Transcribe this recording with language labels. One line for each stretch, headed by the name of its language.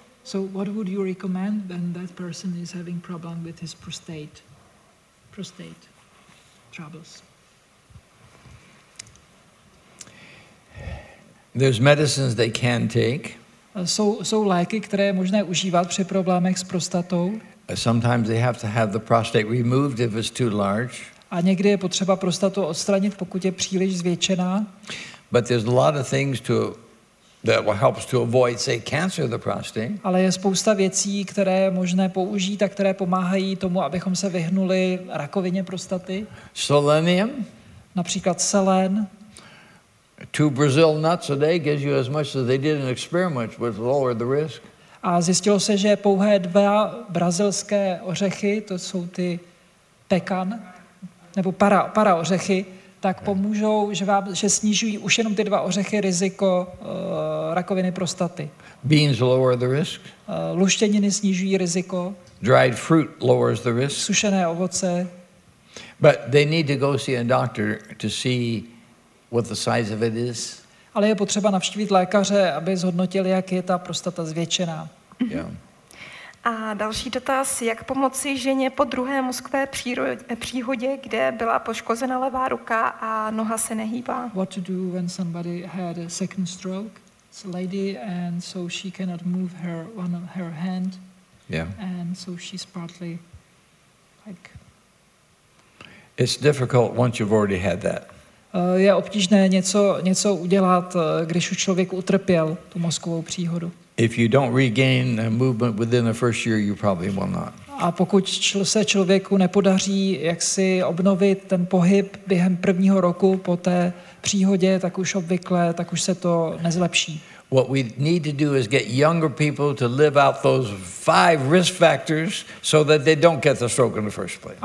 English: So what would you recommend when that person is having problem with his prostate troubles? There's medicines they can take.
Czech: Jsou léky, které je možné užívat při problémech s prostatou.
English: Sometimes they have to have the prostate removed if it's too large.
Czech: A někdy je potřeba prostatu odstranit, pokud je příliš zvětšená.
English: But there's a lot of things to that will helps to avoid say cancer of the prostate.
Czech: Ale je spousta věcí, které je možné použít a které pomáhají tomu, abychom se vyhnuli rakovině prostaty.
English: Selenium.
Czech: Například selen.
English: Two Brazil nuts a day gives you as much as they did an experiment which lowered the risk.
Czech: A zjistilo se, že pouhé dva brazilské ořechy, to jsou ty pekan, nebo para ořechy, tak pomůžou, že snižují už jenom ty dva ořechy riziko rakoviny prostaty.
English: Beans lower the risk.
Czech: Luštěniny snižují riziko.
English: Dried fruit lowers the risk.
Czech: Sušené ovoce.
English: But they need to go see a doctor to see what the size of it is.
Czech: Ale je potřeba navštívit lékaře, aby zhodnotili, jak je ta prostata zvětšená.
English: Yeah.
Czech: A další dotaz, jak pomoci ženě po druhé mozkové příhodě, kde byla poškozena levá ruka a noha se nehýbá?
English: What to do when somebody had a second stroke? It's a lady and so she cannot move her hand. Yeah. And so she's partly like... It's difficult once you've already had that.
Czech: Je obtížné něco udělat, když už člověk utrpěl tu mozkovou příhodu.
English: If you don't regain movement within the first year, you probably will not.
Czech: A pokud se člověku nepodaří jaksi obnovit ten pohyb během prvního roku po té příhodě, tak už obvykle, tak už se to nezlepší.
English: What we need to do is get younger people to live out those five risk factors so that they don't get the stroke in the first place.